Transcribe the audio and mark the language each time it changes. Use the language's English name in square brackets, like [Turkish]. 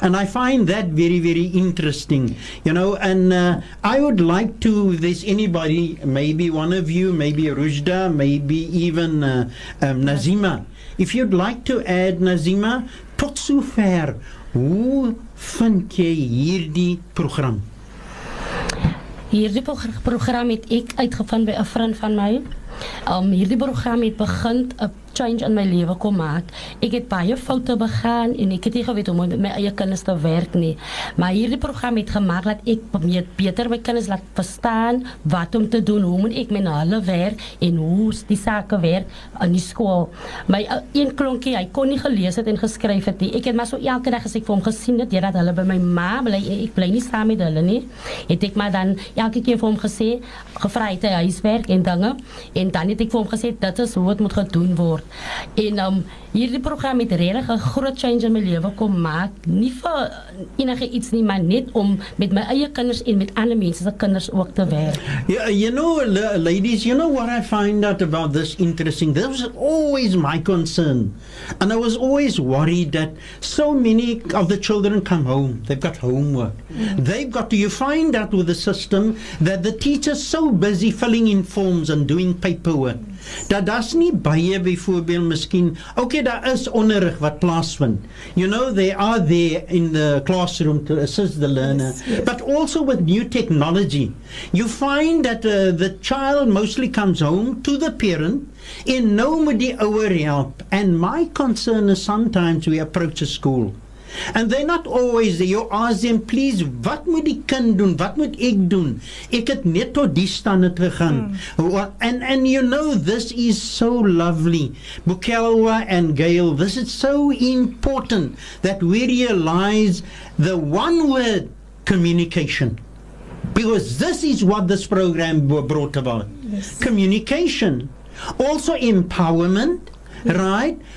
[English] And I find that very, very interesting. You know, and I would like to, if there's anybody, maybe one of you, maybe Rujda, maybe even Nazima, if you'd like to add, Nazima, [Afrikaans] tot sover, hoe vind jy hierdie program? Hierdie program het ek uitgevind by 'n vriend van my. Hierdie program het begin a change in my lewe kom maak. Ek het baie foute begaan en ek het nie geweet hoe om met my eie kinders te werk nie. Maar hierdie program het gemaak dat ek beter my kinders laat verstaan wat om te doen, hoe moet ek met hulle werk en hoe die sake werk in die school. My een klonkie, hy kon nie gelees het en geskryf het nie. Ek het maar so elke dag as ek vir hom gesien het, dat hulle by my ma bly, ek bly nie saam met hulle nie, het ek maar dan elke keer vir hom gesê, gevraag het hy huiswerk en dinge. En dan het ek vir hom gesê, dit is hoe het moet gedoen word. En hierdie program het regtig 'n groot change in my lewe kom maak. Nie vir enige iets nie, maar net om met my eie kinders en met ander mense se kinders ook te werk. [English] Yeah, you know, ladies, you know what I find out about this interesting? This was always my concern. And I was always worried that so many of the children come home. They've got homework. They've got to, you find out with the system that the teacher's so busy filling in forms and doing paperwork. [Afrikaans] Dat das nie baie byvoorbeeld miskien. Okay, daar is onderrig wat plaasvind. [English] You know, they are there in the classroom to assist the learner. Yes, yes. But also with new technology, you find that the child mostly comes home to the parent in nobody over help. And my concern is sometimes we approach a school. And they're not always there. You ask them, please, [Afrikaans] wat moet die kind doen? Wat moet ek doen? Ek het net tot die stande gegaan. [English] Mm. And you know, this is so lovely. Bukelwa and Gail, this is so important that we realize the one word, communication. Because this is what this program brought about. Yes. Communication. Also empowerment. Right?